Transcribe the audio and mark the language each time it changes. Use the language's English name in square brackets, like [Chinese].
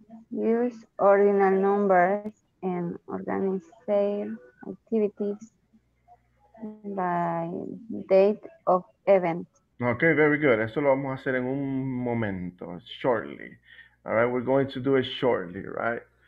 [English] Use ordinal numbers and organize activities by date of event. Okay, very good. [Spanish] Eso lo vamos a hacer en un momento, shortly. [English] All right, we're going to do it shortly, right?